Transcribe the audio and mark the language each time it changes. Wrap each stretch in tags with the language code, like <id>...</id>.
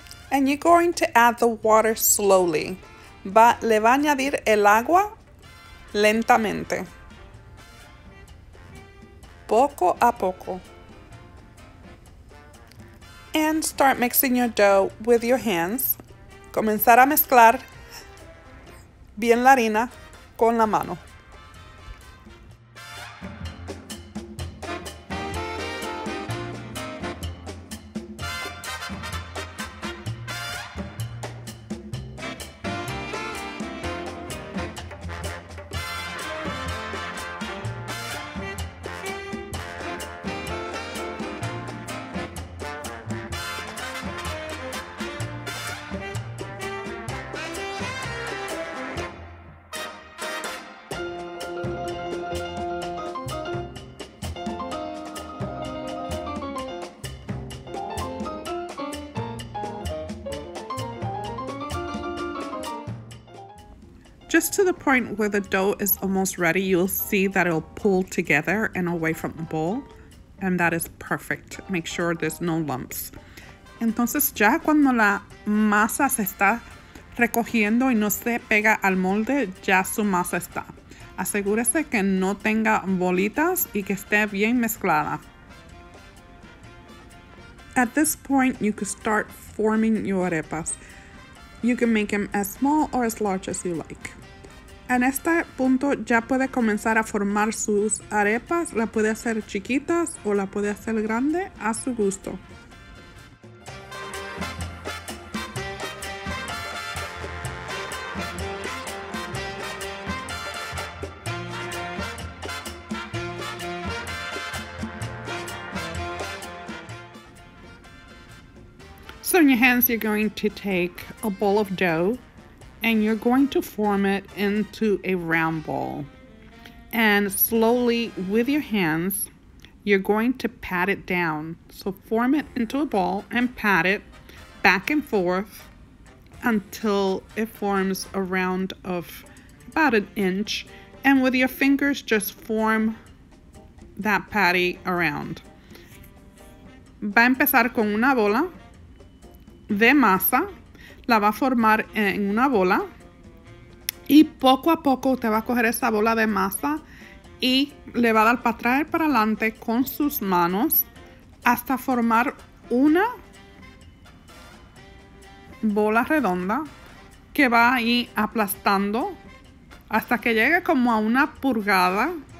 <en>And you're going to add the water slowly.</en> <es>Le va a añadir el agua lentamente. Poco a poco.</es> <en>And start mixing your dough with your hands.</en> <es>Comenzar a mezclar bien la harina con la mano.</es> <en>Just to the point where the dough is almost ready, you'll see that it'll pull together and away from the bowl, and that is perfect. Make sure there's no lumps.</en> <es>Entonces, ya cuando la masa se está recogiendo y no se pega al molde, ya su masa está. Asegúrese que no tenga bolitas y que esté bien mezclada.</es> <en>At this point, you could start forming your arepas. You can make them as small or as large as you like.</en> <es>En este punto ya puede comenzar a formar sus arepas. La puede hacer chiquitas o la puede hacer grande a su gusto.</es> <en>So in your hands, you're going to take a ball of dough and you're going to form it into a round ball. And slowly with your hands, you're going to pat it down. So form it into a ball and pat it back and forth until it forms a round of about an inch. And with your fingers, just form that patty around.</en> <es>Va a empezar con una bola de masa. La va a formar en una bola. Y poco a poco te va a coger esa bola de masa y le va a dar para atrás y para adelante con sus manos hasta formar una bola redonda que va a ir aplastando hasta que llegue como a una pulgada.</es>